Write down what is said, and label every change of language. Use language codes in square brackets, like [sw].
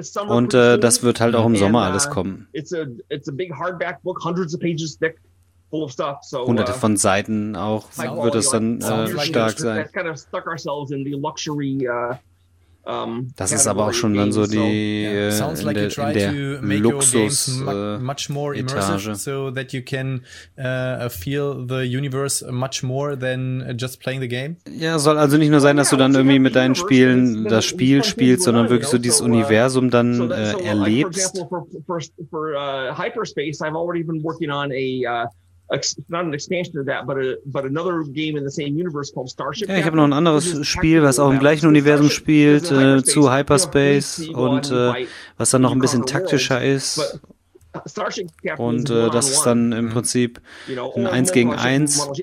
[de] Und das wird halt auch im Sommer alles kommen. [en] It's a big hardback book, hundreds of pages thick, full of stuff. So, [de] hunderte von Seiten auch wird es dann stark sein. [en] That's kind of stuck ourselves in the luxury... [de] Das ist aber auch schon dann so die Luxus-Etage. [en] So that you can feel the universe much more than just playing the game. [de] Ja, soll also nicht nur sein, dass du dann irgendwie mit deinen Spielen das Spiel spielst, sondern wirklich so dieses Universum dann erlebst. [en] For Hyperspace, I've already been working on a not an expansion of that, but another game in the same universe called Starship. [de] Ja, ich habe noch ein anderes Spiel, was auch im gleichen Universum spielt, zu Hyperspace und was dann noch ein bisschen taktischer ist. Und das ist dann im Prinzip ein 1 gegen 1.